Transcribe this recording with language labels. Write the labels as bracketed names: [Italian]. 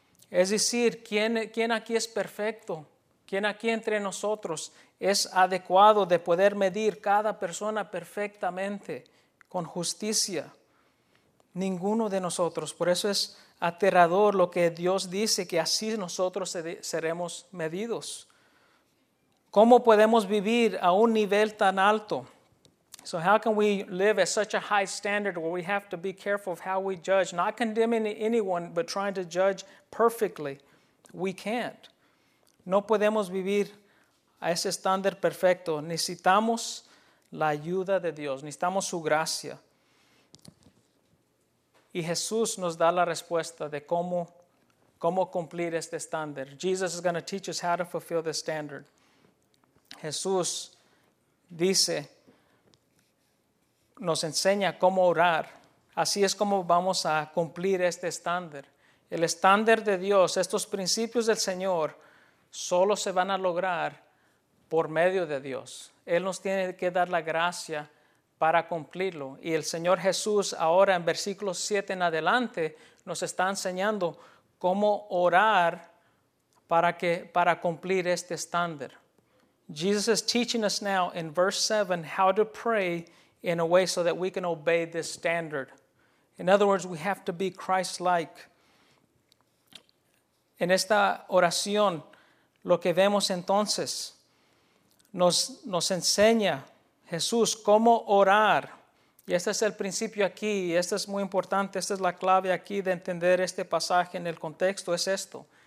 [Spanish] Es decir, ¿quién aquí es perfecto? ¿Quién aquí entre nosotros es adecuado de poder medir cada persona perfectamente, con justicia? Ninguno de nosotros. Por eso es aterrador lo que Dios dice, que así nosotros seremos medidos. ¿Cómo podemos vivir a un nivel tan alto? [English] So how can we live at such a high standard where we have to be careful of how we judge? Not condemning anyone, but trying to judge perfectly. We can't. [Spanish] No podemos vivir a ese estándar perfecto. Necesitamos la ayuda de Dios. Necesitamos su gracia. Y Jesús nos da la respuesta de cómo cumplir este estándar. [English] Jesus is going to teach us how to fulfill the standard. [Spanish] Jesús dice, nos enseña cómo orar. Así es como vamos a cumplir este estándar. El estándar de Dios, estos principios del Señor, solo se van a lograr por medio de Dios. Él nos tiene que dar la gracia para cumplirlo. Y el Señor Jesús ahora en versículo 7 en adelante nos está enseñando cómo orar para cumplir este estándar. [English] Jesus is teaching us now in verse 7 how to pray in a way so that we can obey this standard. In other words, we have to be Christ-like. [Spanish] En esta oración, lo que vemos entonces, nos enseña Jesús cómo orar. Y este es el principio aquí, y esto es muy importante, esta es la clave aquí de entender este pasaje en el contexto, es esto.